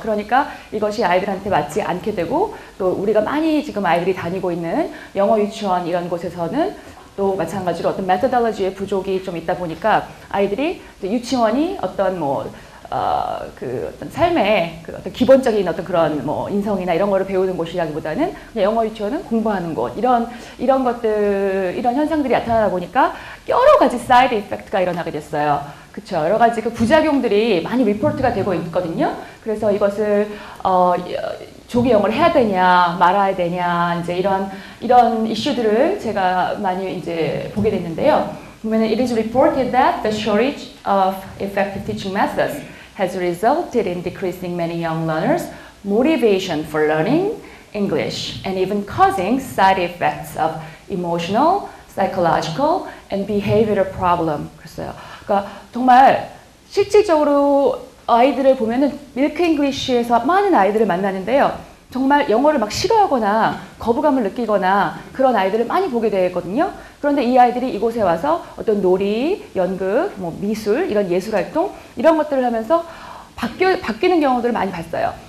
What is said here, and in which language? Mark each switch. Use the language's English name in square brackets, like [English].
[Korean] 그러니까 이것이 아이들한테 맞지 않게 되고 또 우리가 많이 지금 아이들이 다니고 있는 영어 유치원 이런 곳에서는 또 마찬가지로 어떤 메소돌로지의 부족이 좀 있다 보니까 아이들이 유치원이 어떤 뭐그 어떤 삶의 그 어떤 기본적인 어떤 그런 뭐 인성이나 이런 거를 배우는 곳이라기보다는 영어 유치원은 공부하는 곳 이런 것들 이런 현상들이 나타나다 보니까 여러 가지 사이드 이펙트가 일어나게 됐어요. 그렇죠. 여러 가지 그 부작용들이 많이 리포트가 되고 있거든요. 그래서 이것을 조기 영어를 해야 되냐 말아야 되냐 이제 이런 이슈들을 제가 많이 이제 보게 됐는데요. 보면은 [English] it is reported that the shortage of effective teaching methods has resulted in decreasing many young learners' motivation for learning English and even causing side effects of emotional, psychological, and behavioral problem. [Korean] 그랬어요. 그러니까 정말 실질적으로 아이들을 보면은 밀크 잉글리쉬에서 많은 아이들을 만나는데요. 정말 영어를 막 싫어하거나 거부감을 느끼거나 그런 아이들을 많이 보게 되거든요. 그런데 이 아이들이 이곳에 와서 어떤 놀이, 연극, 뭐 미술, 이런 예술 활동, 이런 것들을 하면서 바뀌는 경우들을 많이 봤어요.